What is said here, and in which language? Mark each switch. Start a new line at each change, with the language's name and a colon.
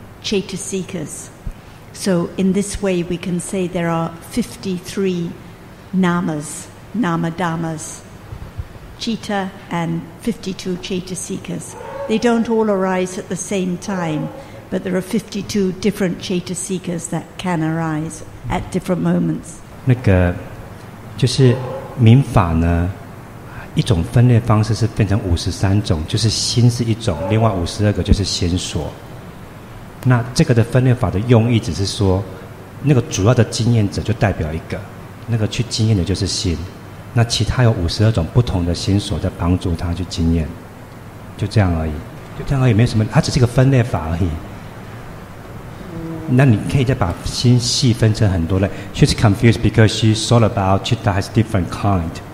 English: Chittasikas. So in this way we can say there are 53 namas, nama dhammas, citta and 52 chittasikas. They don't all arise at the same time, but there are 52 different chittasikas that can arise at different moments.
Chinese: 那个就是明法呢，一种分类方式是变成53种，就是心是一种，另外52个就是心所。那这个的分类法的用意只是说，那个主要的经验者就代表一个，那个去经验的就是心，那其他有52种不同的心所在帮助他去经验，就这样而已，就这样而已，没什么，它只是一个分类法而已。那你可以再把心细分成很多类。
English: She's confused because she thought about citta has different kind.